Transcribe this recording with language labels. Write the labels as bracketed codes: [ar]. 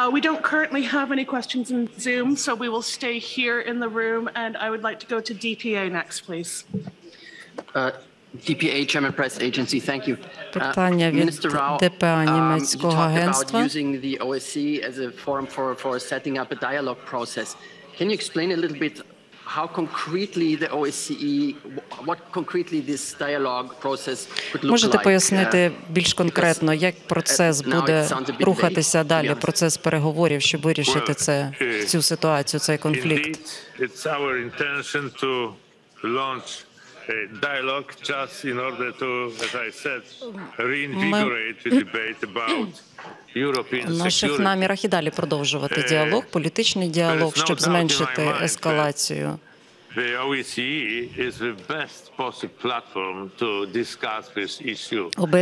[en] We don't currently have any questions in Zoom, so we will stay here in the room, and I would like to go to DPA next, please. DPA, Chairman Press Agency, thank you. [uk] Питання від ДПА німецького агентства. [en] You talked about using the OSCE as a forum for setting up a dialogue process. Can you explain a little bit how concretely the OSCE, what concretely this dialogue process could look like? [uk] Можете пояснити більш конкретно, як процес буде рухатися далі, процес переговорів, щоб вирішити цю ситуацію, цей конфлікт? [en] Indeed, it's our intention to launch a dialogue just in order to, as I said, reinvigorate the debate about [uk] в наших намірах і далі продовжувати діалог, політичний діалог, щоб зменшити ескалацію. [en] The OSCE is the best possible platform to discuss this issue.